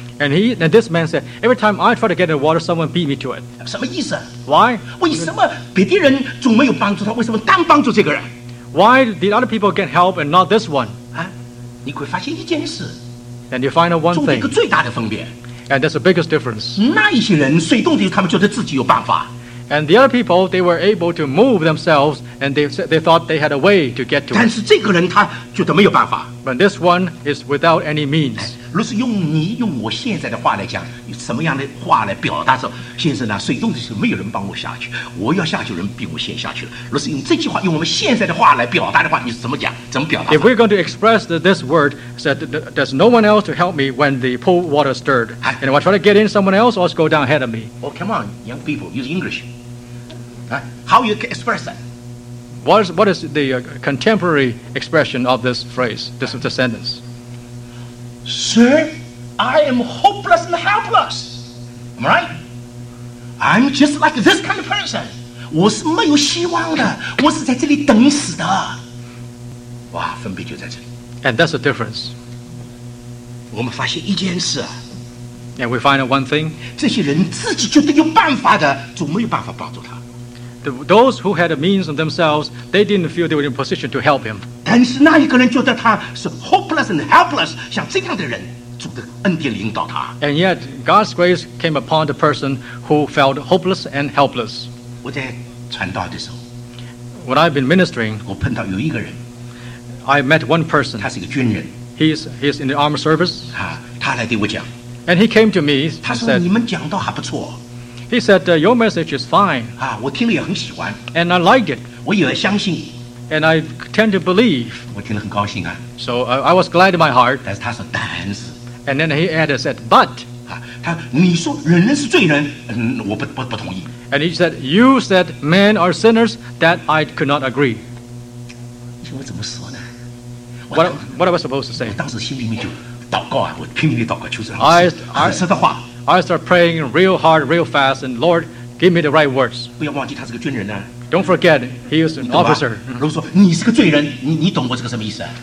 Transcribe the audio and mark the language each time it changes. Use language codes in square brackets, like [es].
[en] And this man said, every time I try to get in the water, someone beat me to it. [zh] 什么意思? [en] Why? [zh] 为什么别的人总没有帮助他, [en] why did other people get help and not this one? [zh] 啊, 你会发现一件事, [en] and you find out one thing. And that's the biggest difference. [zh] 那一些人, [en] and the other people, they were able to move themselves, and they thought they had a way to get to it. But this one is without any means. [zh] 如果是用你用我现在的话来讲, 什么样的话来表达说, 先生啊, 水洞的时候没有人帮我下去, 我要下去人比我先下去了, 如果是用这句话, 用我们现在的话来表达的话, 你是怎么讲, 怎么表达, [en] if we're going to express this word, said there's no one else to help me when the pool water stirred, and if I try to get in, someone else will go down ahead of me. Oh, come on, young people, use English. How you express that? What is the contemporary expression of this phrase, this sentence? Sir, I am hopeless and helpless. Am I right? I'm just like this kind of person. [zh] 我是没有希望的，我是在这里等死的。哇，分别就在这里。 [en] And that's the difference. [zh] 我们发现一件事啊。 [en] And we find out one thing. [zh] 这些人自己觉得有办法的，总没有办法帮助他。 [en] Those who had a means of themselves, they didn't feel they were in a position to help him. Hopeless and helpless, [zh] 像这样的人, [en] and yet, God's grace came upon the person who felt hopeless and helpless. [zh] 我在传道的时候, [en] when I've been ministering, [zh] 我碰到有一个人, [en] I met one person. [zh] 他是一个军人, [en] he's in the armed service. [zh] 啊, 他来对我讲, [en] and he came to me. [zh] 他说你们讲道还不错, [en] he said, your message is fine. [zh] 啊, 我听了也很喜欢, [en] and I liked it. [zh] 我也相信, [en] and I tend to believe. [zh] 我听了很高兴啊, [en] so I was glad in my heart. [zh] 但是他说, 但是, [en] and then he added, said, but. [zh] 啊, 他, 你说人是罪人, 我不同意, [en] and he said, you said men are sinners, that I could not agree. [zh] 我怎么说呢? [en] What am I supposed to say? [zh] 我当时心里面就祷告啊, 我拼命地祷告, 求神老师, [en] I start praying real hard, real fast, and Lord, give me the right words. Don't forget, he is an officer. [zh] 如果说你是个罪人，你懂我这个什么意思啊?